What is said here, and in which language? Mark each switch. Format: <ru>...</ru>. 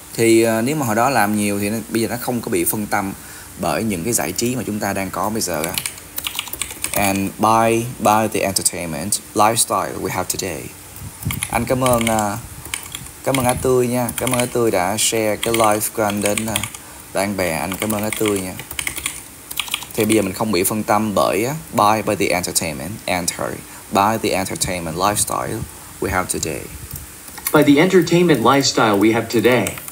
<vi>Thì nếu mà hồi đó làm nhiều thì bây giờ nó không có bị phân tâm bởi những cái giải trí mà chúng ta đang có bây giờ.</vi> <en>And by the entertainment lifestyle we have today.</en> <vi>Anh cảm ơn anh tươi nha. Cảm ơn anh tươi đã share cái life của anh đến bạn bè anh. Cảm ơn anh tươi nha. Thì bây giờ mình không bị phân tâm bởi</vi> <en>by the entertainment enter by the entertainment lifestyle we have today. By the entertainment lifestyle we have today.</en>